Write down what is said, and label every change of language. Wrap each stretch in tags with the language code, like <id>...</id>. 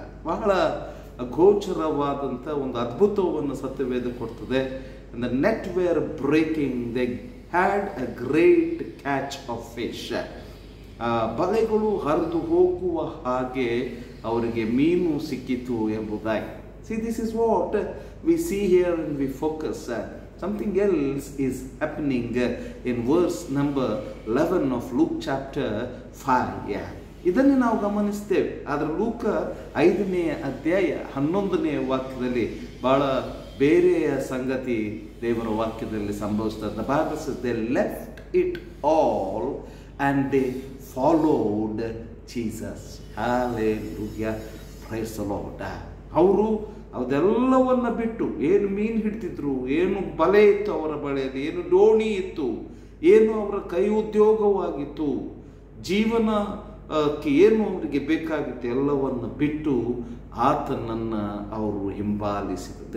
<kn>ಬಹಳ ಅಗೋಚರವಾದಂಥ ಒಂದು ಅದ್ಭುತವನ್ನು ಸತ್ಯವೇದ ಕೊಡ್ತದೆ.</kn> <en>The net were breaking, they had a great catch of fish.</en> <kn>ಬಲೆಗಳು ಹರಿದು ಹೋಗುವ ಹಾಗೆ ಅವರಿಗೆ ಮೀನು ಸಿಕ್ಕಿತು ಎಂಬುದಾಗಿ.</kn> <en>See, this is what we see here and we focus. Something else is happening in verse number 11 of Luke chapter 5.</en> <kn>ಇದನ್ನು ನಾವು ಗಮನಿಸ್ತೇವೆ. ಆದರೆ ಲೂಕ 5ನೇ ಅಧ್ಯಾಯ 11ನೇ ವಾಕ್ಯದಲ್ಲಿ ಬಹಳ ಬೇರೆಯ ಸಂಗತಿ ದೇವರ ವಾಕ್ಯದಲ್ಲಿ ಸಂಭವಿಸ್ತದೆ.</kn> <en>The Bible says they left it all and they followed Jesus. Hallelujah. Praise the Lord.</en> <kn>ಅವರು ಅದೆಲ್ಲವನ್ನು ಬಿಟ್ಟು, ಏನು ಮೀನು ಹಿಡ್ತಿದ್ರು, ಏನು ಬಲೆ ಇತ್ತು ಅವರ ಬಳೆಯಲ್ಲಿ, ಏನು ದೋಣಿ ಇತ್ತು, ಏನು ಅವರ ಕೈ ಉದ್ಯೋಗವಾಗಿತ್ತು, ಜೀವನಕ್ಕೆ ಏನು ಅವರಿಗೆ ಬೇಕಾಗಿತ್ತು, ಎಲ್ಲವನ್ನು ಬಿಟ್ಟು ಆತನನ್ನು ಅವರು ಹಿಂಬಾಲಿಸಿದರು.</kn>